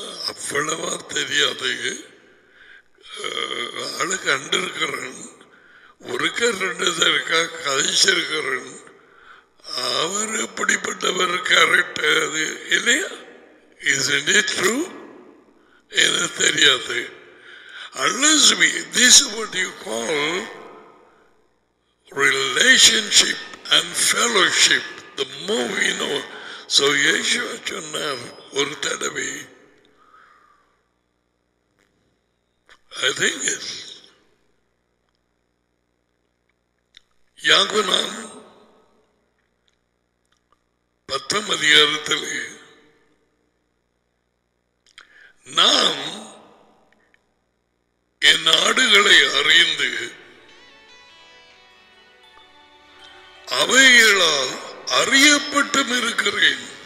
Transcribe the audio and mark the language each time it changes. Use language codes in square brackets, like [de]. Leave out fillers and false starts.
[ta] அவ்வளவா தெரியாது. ஆளு கண்டிருக்கிறன், ஒருக்க ரெண்டு தருக்கா கதைச்சிருக்கிறன். அவர் எப்படிப்பட்டவர் கரெக்ட் அது இல்லையா? [en] Isn't it true? [ta] என தெரியாது. [en] Unless we, this is what you call relationship and fellowship, the more we know. [ta] So Yeshua சொன்னார் ஒரு தடவை, [en] I think it's [ta] யாகுனாம் 10 அதிகாரத்தில், நாம் என் ஆடுகளை அறிந்து அவைகளால் அறியப்பட்டும் இருக்கிறேன்.